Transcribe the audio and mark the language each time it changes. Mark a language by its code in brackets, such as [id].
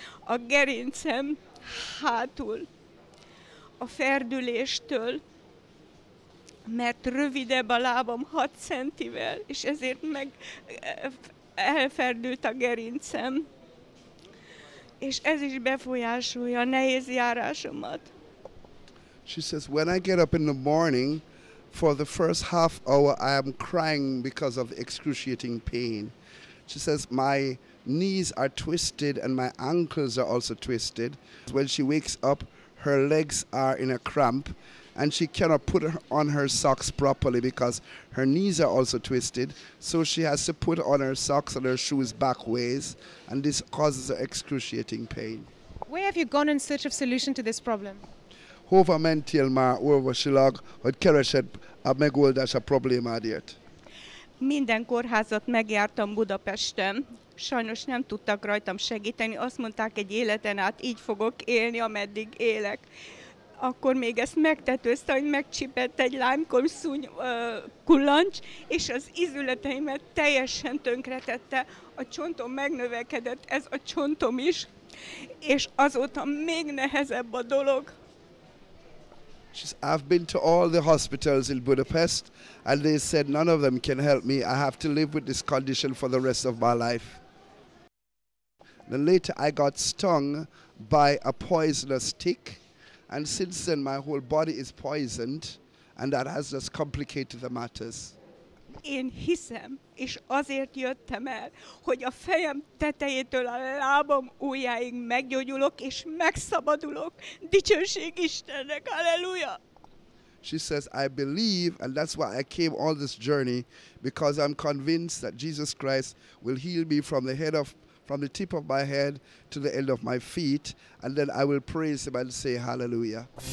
[hu] A gerincem hátul, a ferdüléstől, mert rövidebb a lábam 6 centivel, és ezért meg elferdült a gerincem. És ez is befolyásolja a nehéz járásomat. [en] She says, when I get up in the morning, for the first half hour I am crying because of excruciating pain. She says, my knees are twisted and my ankles are also twisted. When she wakes up, her legs are in a cramp and she cannot put on her socks properly because her knees are also twisted. So she has to put on her socks and her shoes back ways, and this causes her excruciating pain. Where have you gone in search of solution to this problem? [hu] Hova mentél már orvosilag, hogy keresed a megoldás a problémádért? Minden kórházat megjártam Budapesten. Sajnos nem tudtak rajtam segíteni. Azt mondták, egy életen át így fogok élni, ameddig élek. Akkor még ezt megtetőzte, hogy megcsipett egy lánykorszúny kullancs, és az izületeimet teljesen tönkretette. A csontom megnövekedett, ez a csontom is. És azóta még nehezebb a dolog. [en] I've been to all the hospitals in Budapest and they said none of them can help me. I have to live with this condition for the rest of my life. Then later I got stung by a poisonous tick, and since then my whole body is poisoned, and that has just complicated the matters. [hu] Én hiszem, és azért jöttem el, hogy a fejem tetejétől a lábam ujjáig meggyógyulok és megszabadulok. Dicsőség Istennek, halleluja! [en] She says, I believe, and that's why I came on this journey, because I'm convinced that Jesus Christ will heal me from the tip of my head to the end of my feet, and then I will praise Him and say hallelujah.